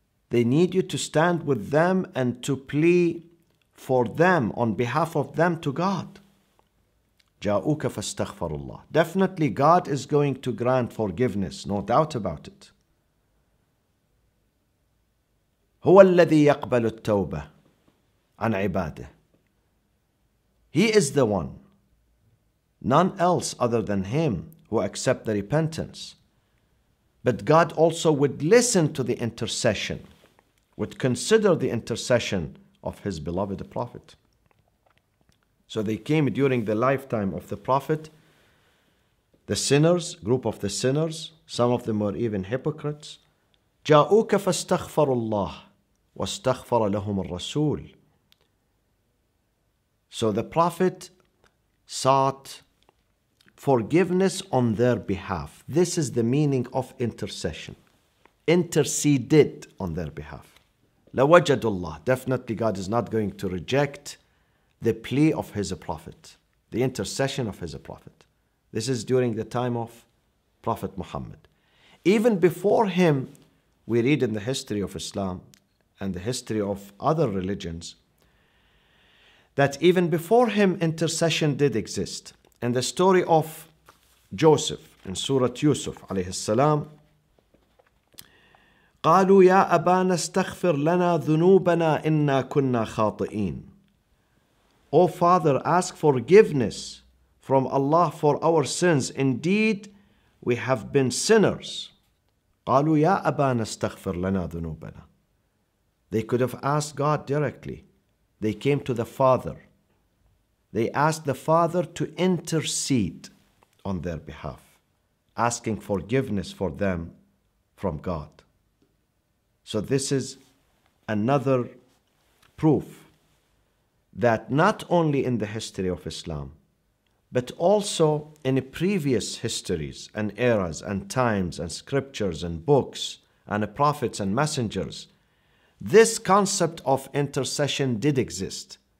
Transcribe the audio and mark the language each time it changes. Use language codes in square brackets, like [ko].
[en] They need you to stand with them and to plea for them, on behalf of them, to God. [ar] جاءوك فاستغفر الله. [en] Definitely God is going to grant forgiveness, no doubt about it. [ar] هو الذي يقبل التوبة عن عباده. [en] He is the one, none else other than him, who accept the repentance. But God also would listen to the intercession, would consider the intercession of his beloved prophet. So they came during the lifetime of the prophet, the sinners, group of the sinners, some of them were even hypocrites. [ar] جاءوك فاستغفروا الله واستغفر لهم الرسول. [en] So the prophet sought forgiveness on their behalf. This is the meaning of intercession. Interceded on their behalf. [ar] لوجد الله. [en] Definitely God is not going to reject the plea of his prophet, the intercession of his prophet. This is during the time of Prophet Muhammad. Even before him, we read in the history of Islam and the history of other religions, that even before him, intercession did exist. In the story of Joseph in Surah Yusuf, alayhi salam, [ar] قالوا يا أبانا استغفر لنا ذنوبنا إنا كنا خاطئين. [en] O Father, ask forgiveness from Allah for our sins. Indeed, we have been sinners. قالوا يا أبانا استغفر لنا ذنوبنا. They could have asked God directly. They came to the Father. They asked the Father to intercede on their behalf, asking forgiveness for them from God. So this is another proof that not only in the history of Islam, but also in previous histories and eras and times and scriptures and books and prophets and messengers, this concept of intercession did exist.